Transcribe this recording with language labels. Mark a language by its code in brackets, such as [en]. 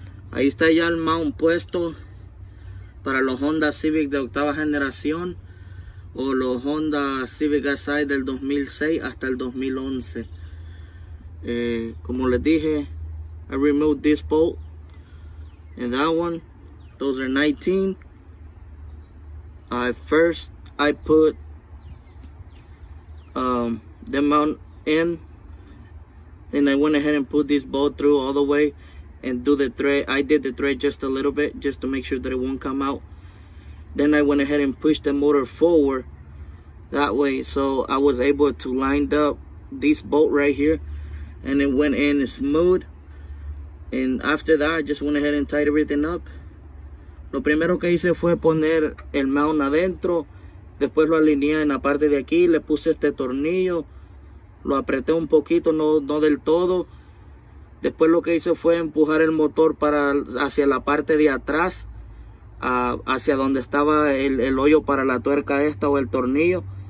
[es] Ahí está ya el mount puesto para los Honda Civic de octava generación o los Honda Civic Si del 2006 hasta el 2011. Como les dije, [en] I removed this bolt and that one. Those are 19. I put the mount in, and I went ahead and put this bolt through all the way and do the thread. I did the thread just a little bit just to make sure that it won't come out. Then I went ahead and pushed the motor forward that way, so I was able to line up this bolt right here, and it went in smooth. And after that, I just went ahead and tied everything up. [es] Lo primero que hice fue poner el mount adentro, después lo alineé en la parte de aquí, le puse este tornillo, lo apreté un poquito, no del todo. Después lo que hice fue empujar el motor para hacia la parte de atrás, hacia donde estaba el hoyo para la tuerca esta o el tornillo.